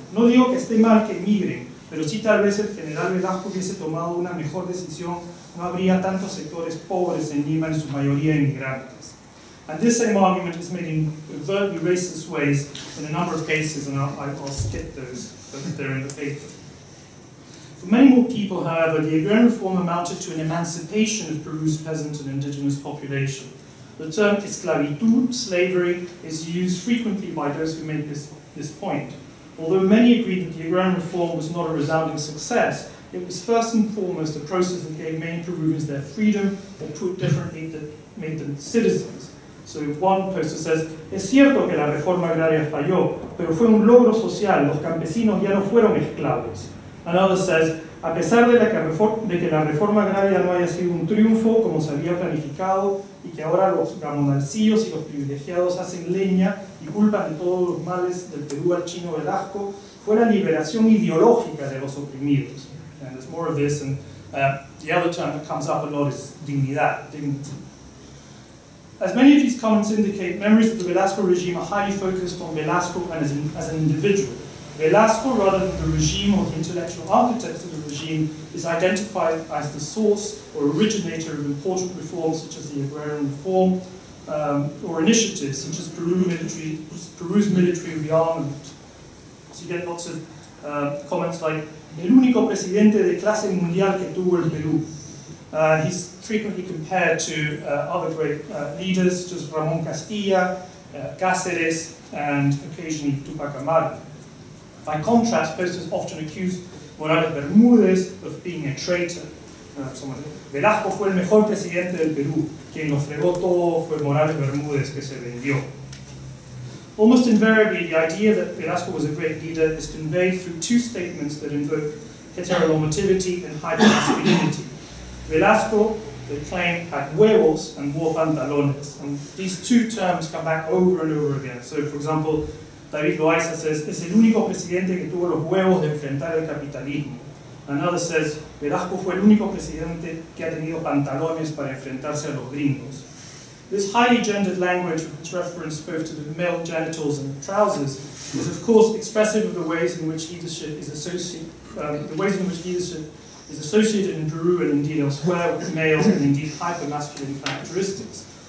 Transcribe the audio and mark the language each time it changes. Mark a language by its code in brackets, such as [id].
[es] No digo que esté mal que emigren, pero sí tal vez el general Velasco hubiese tomado una mejor decisión, no habría tantos sectores pobres en Lima, en su mayoría emigrantes. [en] And this same argument is made in overtly racist ways in a number of cases, and I'll skip those, but they're in the paper. For many more people, however, the agrarian reform amounted to an emancipation of Peru's peasant and indigenous population. The term esclavitud, slavery, is used frequently by those who make this point. Although many agreed that the agrarian reform was not a resounding success, it was first and foremost a process that gave many Peruvians their freedom, or put differently, that made them citizens. So one poster says, [es] es cierto que la reforma agraria falló, pero fue un logro social, los campesinos ya no fueron esclavos. [en] Another says, [es] a pesar de que la reforma agraria no haya sido un triunfo como se había planificado, y que ahora los gamonalcillos y los privilegiados hacen leña y culpan de todos los males del Perú al chino Velasco, fue la liberación ideológica de los oprimidos. [en] And there's more of this, and the other term that comes up a lot is dignidad, dignity. As many of these comments indicate, memories of the Velasco regime are highly focused on Velasco and as an individual. Velasco, rather than the regime or the intellectual architect of the regime, is identified as the source or originator of important reforms such as the agrarian reform or initiatives such as Peru's military rearmament. So you get lots of comments like, [es] el único presidente de clase mundial que tuvo el Perú. [en] He's frequently compared to other great leaders such as Ramón Castilla, Cáceres, and occasionally Tupac Amaru. By contrast, posters often accuse Morales Bermúdez of being a traitor. Someone said, [es] Velasco fue el mejor presidente del Perú. Quien lo fregó todo fue Morales Bermúdez que se vendió. [en] Almost invariably, the idea that Velasco was a great leader is conveyed through two statements that invoke heteronormativity and high masculinity. Velasco, they claim, had huevos and wore pantalones. And these two terms come back over and over again. So, for example, David Loaiza says, [es] es el único presidente que tuvo los huevos de enfrentar el capitalismo. [en] Another says, [es] Velasco fue el único presidente que ha tenido pantalones para enfrentarse a los gringos. [en] This highly gendered language, with its reference both to the male genitals and the trousers, is of course expressive of the ways in which leadership is associated, in Peru and indeed elsewhere with male and indeed hyper-masculine characteristics.